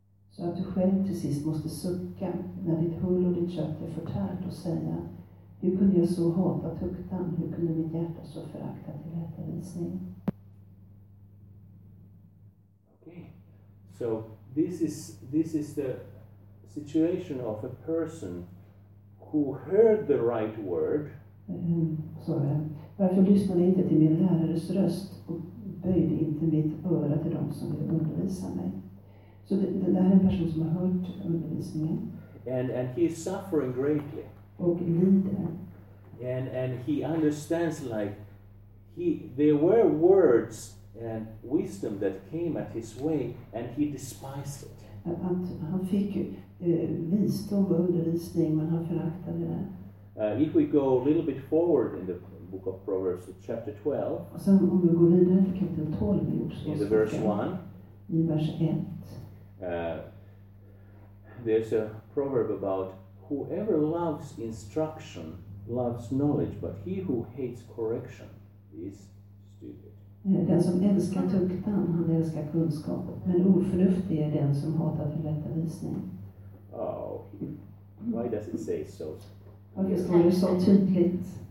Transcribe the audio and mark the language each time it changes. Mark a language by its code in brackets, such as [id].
[sv] Så att du själv till sist måste sucka när ditt hull och ditt kött är förtärt och säga, hur kunde jag så hata tuktan? Hur kunde mitt hjärta så förakta till rätta visning? [en] Okay. So this is the situation of a person who heard the right word. [sv] Varför lyssnade inte till min lärares röst och böjde inte mitt öra till dem som vill undervisa mig? Så det här är en person som har hört undervisningen. [en] And he is suffering greatly. [sv] Och lider. [en] And he understands like there were words and wisdom that came at his way and he despised it. [sv] Att han fick visdom och undervisning men han föraktade det. [en] If we go a little bit forward in the book of Proverbs chapter 12. [sv] Och sen om vi går vidare till kapitel 12 i Ordsboken. [en] In the verse 1. [sv] I vers 1. [en] There's a proverb about whoever loves instruction loves knowledge, but he who hates correction is stupid. [sv] Den som älskar tuktan, han älskar kunskap, men oförnuftig är den som hatar förrättavisning. [en] Oh, why does it say so? Obviously, you saw two kids.